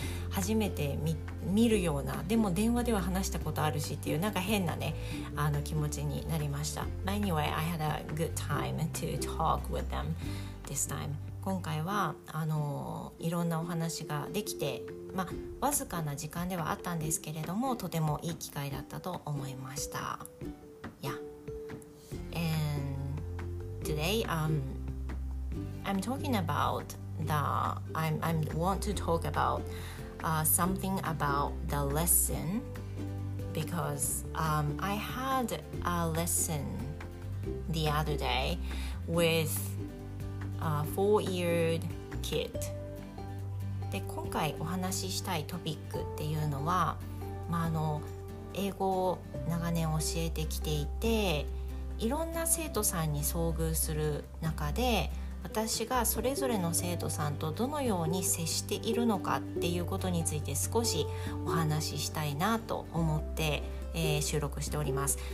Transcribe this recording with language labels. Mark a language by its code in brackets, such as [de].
[ja] 初めて 見るような、でも電話では話したことあるしっていう、なんか変なね、あの気持ちになりました。 [en] Anyway, I had a good time to talk with them this time. [ja] 今回はあのいろんなお話ができて、まわずかな時間ではあったんですけれども、とてもいい機会だったと思いました。 [en] Yeah. And today, I'm talking about the I want to talk about something about the lesson, because I had a lesson the other day with a 4-year-old kid. [ja] で、今回お話ししたいトピックっていうのは、まあ、あの英語を長年教えてきていて、いろんな生徒さんに遭遇する中で、私がそれぞれの生徒さんとどのように接しているのかっていうことについて少しお話ししたいなと思って、収録しております。